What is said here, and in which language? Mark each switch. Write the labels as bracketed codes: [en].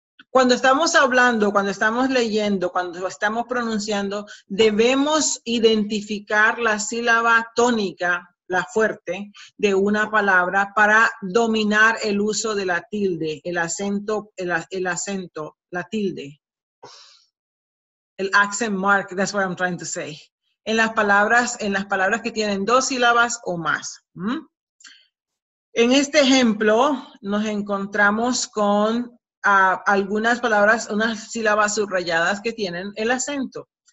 [es] Cuando estamos hablando, cuando estamos leyendo, cuando estamos pronunciando, debemos identificar la sílaba tónica, la fuerte, de una palabra para dominar el uso de la tilde, el acento, la tilde. [en] El accent mark, that's what I'm trying to say. [es] En las palabras que tienen dos sílabas o más. En este ejemplo, nos encontramos con algunas palabras, unas sílabas subrayadas que tienen el acento.